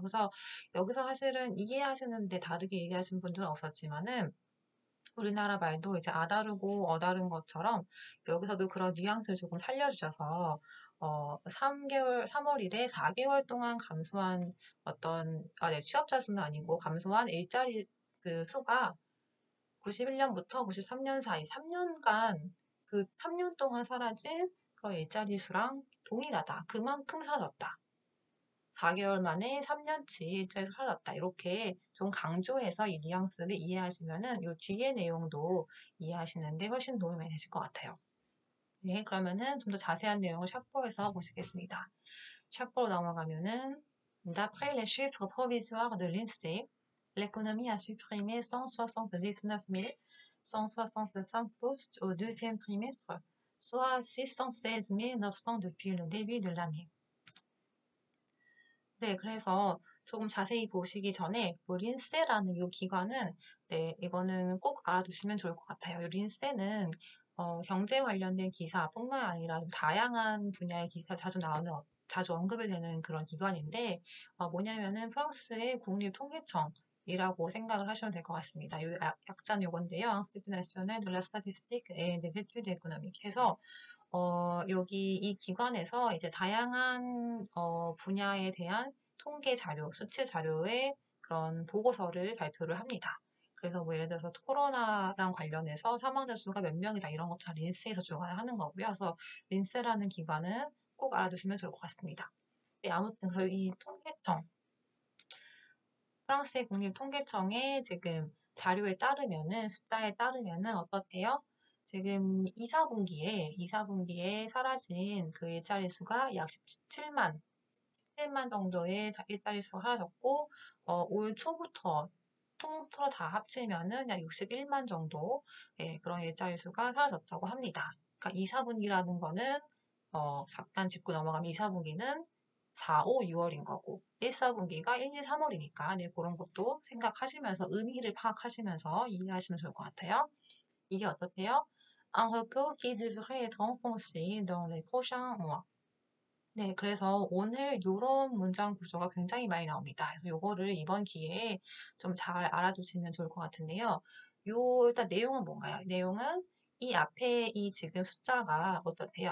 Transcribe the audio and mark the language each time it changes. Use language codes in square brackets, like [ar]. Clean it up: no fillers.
[ko] 그래서 여기서 사실은 이해하시는데 다르게 이해하신 분들은 없었지만은 우리나라 말도 이제 아다르고 어다른 것처럼 여기서도 그런 뉘앙스를 조금 살려주셔서 3월 1일에 4개월 동안 감소한 어떤, 취업자 수는 아니고 감소한 일자리 그 수가 91년부터 93년 사이 3년간 그 3년 동안 사라진 그 일자리 수랑 동일하다. 그만큼 사라졌다. 4개월 만에 3년치 일자리 수 사라졌다. 이렇게 좀 강조해서 이 뉘앙스를 이해하시면은 요 뒤에 내용도 이해하시는데 훨씬 도움이 되실 것 같아요. 네, 그러면은 좀더 자세한 내용을 샤프에서 보시겠습니다. 샤프로 넘어가면은 [fr] D'après les chiffres provisoires de l'INSEE, l'économie a supprimé 179 165 postes au deuxième trimestre, soit 616 900 depuis le début de l'année. [ko] 네, 그래서 조금 자세히 보시기 전에 린세라는 요 기관은 네, 이거는 꼭 알아두시면 좋을 것 같아요. 린세는 경제 관련된 기사뿐만 아니라 다양한 분야의 기사 자주 언급이 되는 그런 기관인데, 뭐냐면은 프랑스의 국립통계청이라고 생각을 하시면 될것 같습니다. 약자는 요건데요. [fr] Institut National de la Statistique et des Études Économiques. [ko] 그래서, 여기 이 기관에서 이제 다양한, 분야에 대한 통계 자료, 수치 자료의 그런 보고서를 발표를 합니다. 그래서 뭐 예를 들어서 코로나랑 관련해서 사망자 수가 몇 명이다 이런 것도 다 린세에서 주관을 하는 거고요. 그래서 린세라는 기관은 꼭 알아두시면 좋을 것 같습니다. 네, 아무튼 그래서 이 통계청, 프랑스의 국립통계청의 지금 자료에 따르면은 숫자에 따르면은 어떻대요? 지금 2사분기에 사라진 그 일자리 수가 약 17만 정도의 일자리 수가 사라졌고 올 초부터 통틀어 다 합치면은 약 61만 정도 그런 일자리 수가 사라졌다고 합니다. 그러니까 2, 4분기라는 거는 잠깐 짚고 넘어가면 2, 4분기는 4, 5, 6월인 거고 1, 4분기가 1, 2, 3월이니까 네, 그런 것도 생각하시면서 의미를 파악하시면서 이해하시면 좋을 것 같아요. 이게 어떻대요? [fr] Un recul qui devrait être enfoncé dans les prochains mois. [ko] 네, 그래서 오늘 이런 문장 구조가 굉장히 많이 나옵니다. 그래서 요거를 이번 기회에 좀잘 알아두시면 좋을 것 같은데요. 일단 내용은 뭔가요? 내용은 이 앞에 이 지금 숫자가 어떻대요?